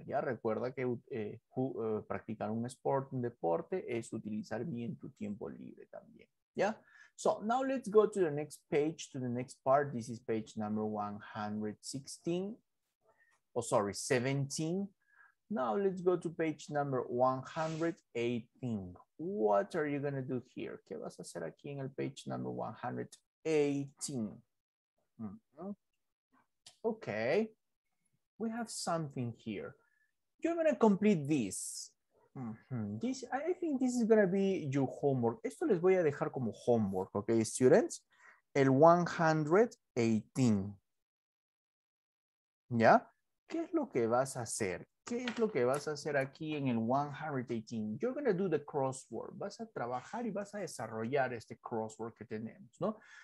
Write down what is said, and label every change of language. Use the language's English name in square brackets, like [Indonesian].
[Spanish] Ya recuerda que practicar un sport, un deporte, es utilizar bien tu tiempo libre también. [English] Yeah. So now let's go to the next page, to the next part. This is page number 116. Oh, sorry, 17. Now let's go to page number 118. What are you going to do here? [Spanish] ¿Qué vas a hacer aquí en el [English] page number [Spanish] 118? [English] Okay. We have something here. You're gonna complete this. This, I think this is gonna be your homework. [Spanish] Esto les voy a dejar como homework, [English] okay, students? [Spanish] El 118. ¿Ya? ¿Qué es lo que vas a hacer? ¿Qué es lo que vas a hacer aquí en el 118? [English] You're gonna do the crossword. [Spanish] Vas a trabajar y vas a desarrollar este crossword que tenemos, ¿no?